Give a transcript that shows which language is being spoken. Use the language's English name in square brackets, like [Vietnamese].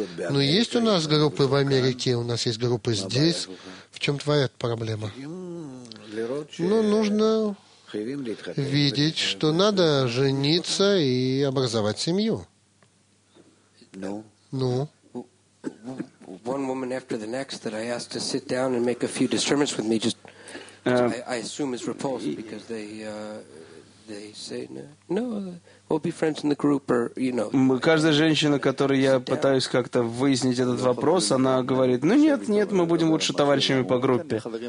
[Russian] Но есть у нас группы в Америке, у нас есть группы здесь. В чем твоя проблема? Ну, нужно видеть, что надо жениться и образовать семью. [English] No. No. One woman after the next that I asked to sit down and make a few disturbances with me just I assume is repulsed because they say no, we'll be friends in the group or you know. [Russian] Каждая женщина, которой я пытаюсь как-то выяснить этот вопрос, она говорит: ну нет, нет, мы будем лучше товарищами по группе.